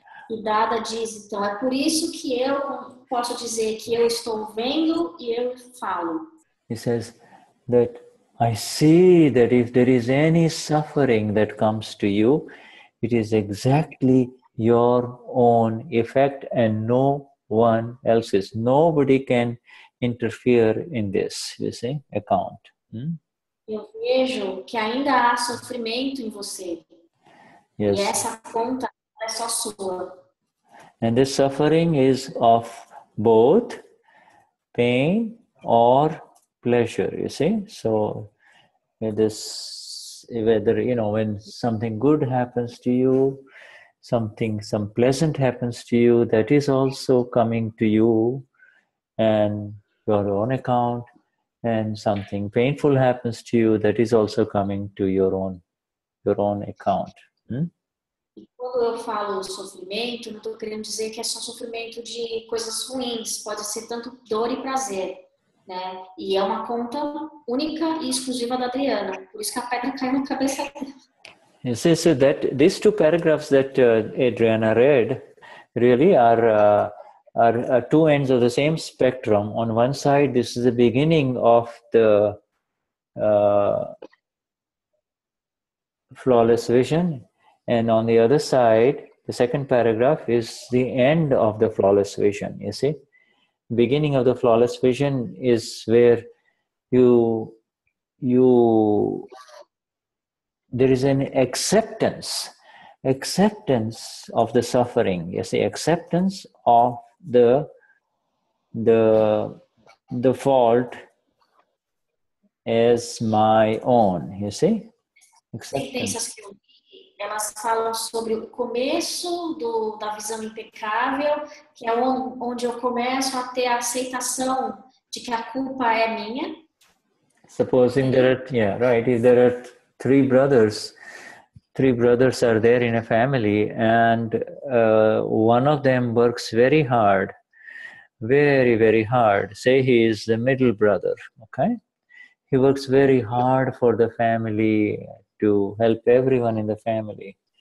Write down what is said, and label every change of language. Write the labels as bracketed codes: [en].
[pt] E Dada diz, então, é por isso que eu posso dizer que eu estou vendo e eu falo. [en] He says that I see that if there is any suffering that comes to you, it is exactly your own effect and no one else's. Nobody can interfere in this, you see, account. [pt] Eu vejo que ainda há sofrimento em você. [en] Yes. [pt] E essa conta é só sua. [en] And the suffering is of both pain or pleasure, you see. So, whether, you know, when something good happens to you, something, some pleasant happens to you, that is also coming to you and your own account, and something painful happens to you, that is also coming to your own account. [pt] Quando eu falo sofrimento, não estou querendo dizer que é só sofrimento de coisas ruins, pode ser tanto dor e prazer, né? E é uma conta única e exclusiva da Adriana, por isso que a pedra caiu na cabeça dela. [en] You see, so that these two paragraphs that Adriana read really are two ends of the same spectrum. On one side, this is the beginning of the flawless vision, and on the other side, the second paragraph is the end of the flawless vision. You see, beginning of the flawless vision is where you. There is an acceptance of the suffering. Yes, the acceptance of the fault as my own. You see, acceptance. [pt] Elas falam sobre o começo do da visão impecável, que é onde eu começo a ter a aceitação de que a culpa é minha. [en] Supposing that, yeah, right. If there are three brothers are there in a family, and one of them works very hard, very, very hard. Say he is the middle brother, okay? He works very hard for the family to help everyone in the family.